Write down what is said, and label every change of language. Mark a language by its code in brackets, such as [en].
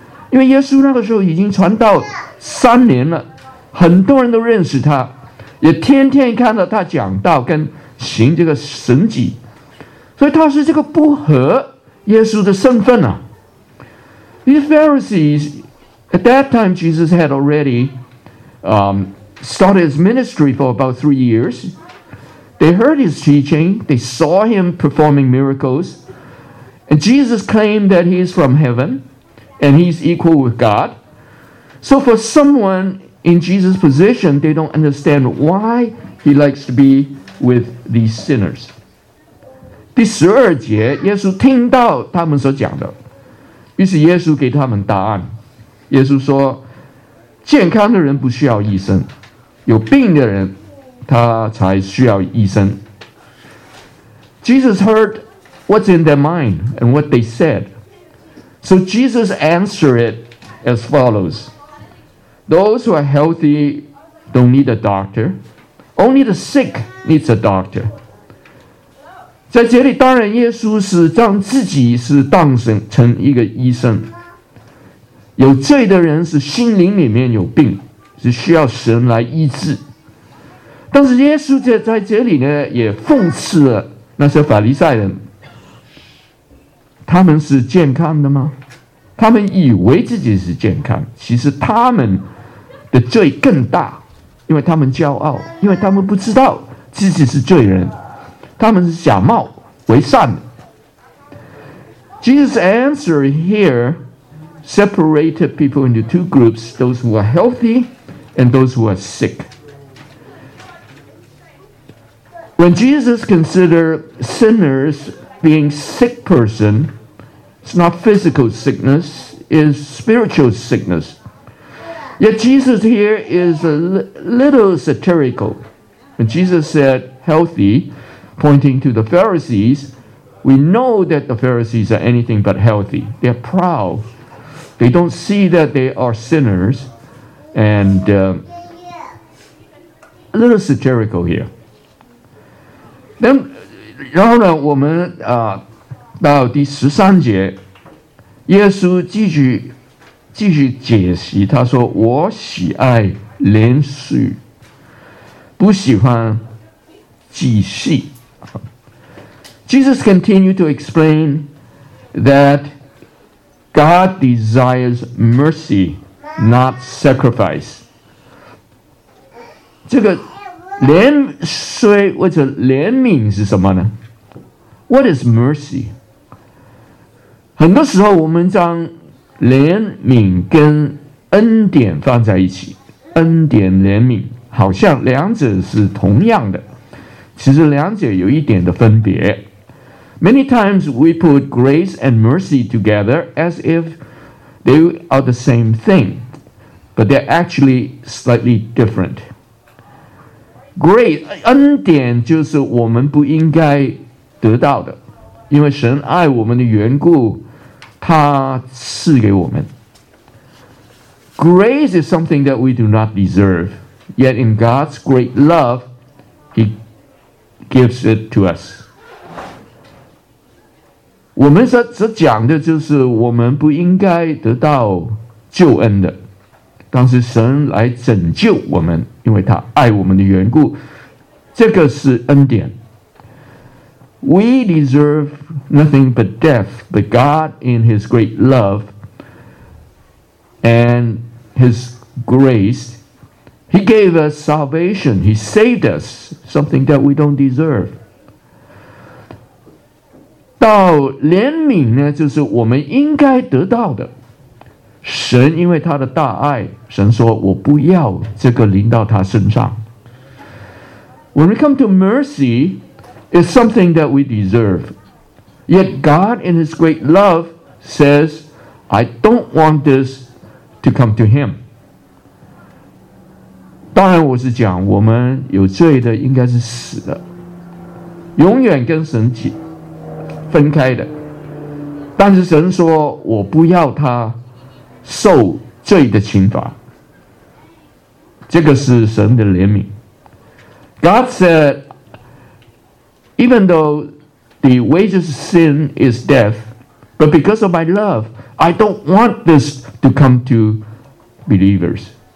[zh] 因为耶稣那个时候已经传道三年了，很多人都认识他，也天天看到他讲道跟行这个神迹，所以他是这个不合耶稣的身份啊。 [en] These Pharisees, at that time Jesus had already started his ministry for about 3 years. They heard his teaching, they saw him performing miracles, and Jesus claimed that he is from heaven, and he's equal with God. So for someone in Jesus' position, they don't understand why he likes to be with these sinners. [zh] 第十二节，耶稣听到他们所讲的，于是耶稣给他们答案。耶稣说，健康的人不需要医生，有病的人他才需要医生。 [en] Jesus heard what's in their mind and what they said. So Jesus answered it as follows. Those who are healthy don't need a doctor. Only the sick needs a doctor. [zh] 在这里当然耶稣是将自己是当成一个医生。有罪的人是心灵里面有病，是需要神来医治。但是耶稣在这里呢，也讽刺了那些法利赛人，他们是健康的吗？他们以为自己是健康，其实他们的罪更大，因为他们骄傲，因为他们不知道自己是罪人，他们是假冒为善的。 [en] Jesus' answer here separated people into two groups, those who are healthy and those who are sick. When Jesus considered sinners being sick person, it's not physical sickness, it's spiritual sickness. Yet Jesus here is a little satirical. When Jesus said healthy, pointing to the Pharisees, we know that the Pharisees are anything but healthy. They're proud. They don't see that they are sinners. And a little satirical here. Then, [zh] 然后呢，我们到第十三节，耶稣继续解释，他说：“我喜爱连续，不喜欢继续。” [en] Jesus continued to explain that God desires mercy, not sacrifice. [zh] 这个怜恤或者怜悯是什么呢？ [en] What is mercy? [zh] 很多时候我们将怜悯跟恩典放在一起，恩典怜悯好像两者是同样的，其实两者有一点的分别。 [en] Many times we put grace and mercy together as if they are the same thing, but they're actually slightly different. [zh] Grace, 恩典就是我们不应该得到的，因为神爱我们的缘故，他赐给我们。 [en] Grace is something that we do not deserve, yet in God's great love, He gives it to us. [zh] 我们所讲的就是我们不应该得到救恩的，但是神来拯救我们，因为他爱我们的缘故，这个是恩典。 [en] We deserve nothing but death, but God in His great love and His grace, He gave us salvation, He saved us, something that we don't deserve. [zh] 到怜悯呢，就是我们应该得到的。神因为他的大爱，神说我不要这个临到他身上。 [en] When we come to mercy, it's something that we deserve. Yet God in His great love says, I don't want this to come to Him. [zh] 当然我是讲我们有罪的应该是死的，永远跟神分开的，但是神说我不要他受罪的刑罚，这个是神的怜悯。 [en] God said, even though the wages of sin is death, but because of my love, I don't want this to come to believers.